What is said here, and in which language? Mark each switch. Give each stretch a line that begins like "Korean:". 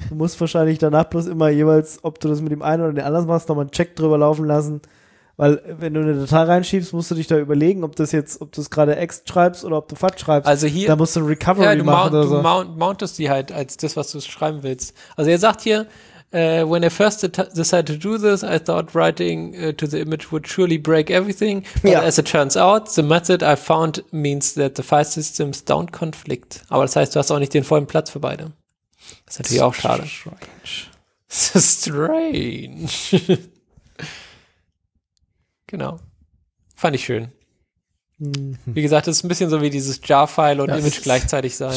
German: Du musst wahrscheinlich danach bloß immer jeweils, ob du das mit dem einen oder dem anderen machst, nochmal einen Check drüber laufen lassen. Weil wenn du eine Datei reinschiebst, musst du dich da überlegen, ob du es gerade ext schreibst oder ob du FAT schreibst. Also hier, da musst du ein Recovery machen. Mountest die halt als das, was du schreiben willst. Also er sagt hier,
English: when I first decided to do this, I thought writing to the image would surely break everything. But as it turns out, the method I found means that the file systems don't conflict.
German: Aber das heißt, du hast auch nicht den vollen Platz für beide. Das ist natürlich auch schade.
English: Strange.
German: Genau. Fand ich schön. Mhm. Wie gesagt, das ist ein bisschen so wie dieses JAR-File und das Image gleichzeitig sein.